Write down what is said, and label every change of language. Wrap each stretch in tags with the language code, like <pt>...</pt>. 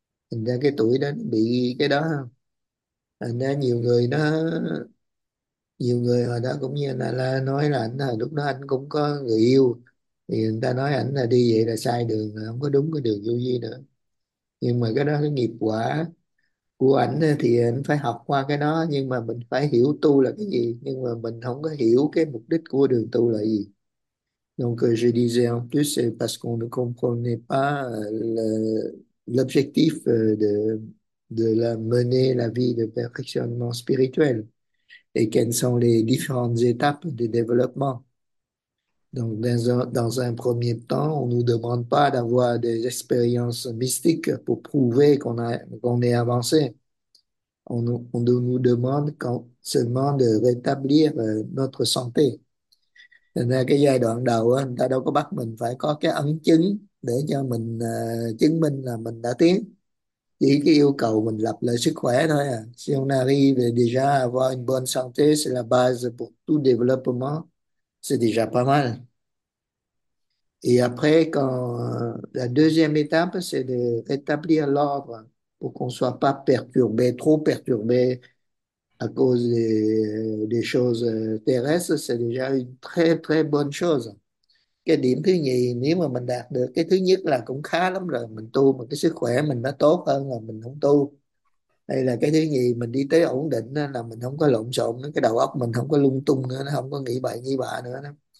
<vi>Thành ra cái tuổi đó bị cái đó không, thành ra nhiều người đó, nhiều người hồi đó cũng như là nói là anh là lúc đó anh cũng có người yêu, thì người ta nói ảnh là đi vậy là sai đường, là không có đúng cái đường vô vi nữa, nhưng mà cái đó cái nghiệp quả của ảnh thì anh phải học qua cái đó, nhưng mà mình phải hiểu tu là cái gì, nhưng mà mình không có hiểu cái mục đích của đường tu là gì.</vi> <fr>Donc je disais en plus c'est parce qu'on ne comprenait pas l'objectif de la mener la vie de perfectionnement spirituel et quelles sont les différentes étapes de développement. Donc, dans un premier temps, on ne nous demande pas d'avoir des expériences mystiques pour prouver qu'on est avancé. On nous demande seulement de rétablir notre santé.</fr> <vi>Là cái giai đoạn đầu, người ta đâu có bắt mình phải có cái ấn chứng để cho mình chứng minh là mình đã tiến, chỉ cái yêu cầu mình lập lại sức khỏe thôi à.</vi> <fr>Si on arrive déjà à avoir une bonne santé, c'est la base pour tout développement, c'est déjà pas mal. Et après, la deuxième étape, c'est de rétablir l'ordre pour qu'on ne soit pas perturbé, trop perturbé à cause des choses terrestres, c'est déjà une très très bonne chose.</fr> <vi>Cái điểm thứ nhì, nếu mà mình đạt được cái thứ nhất là cũng khá lắm rồi, mình tu mà cái sức khỏe mình nó tốt hơn là mình không tu. Hay là cái thứ nhì mình đi tới ổn định đó, là mình không có lộn xộn nữa, cái đầu óc mình không có lung tung nữa, nó không có nghĩ bậy nghĩ bạ nữa đó.</vi>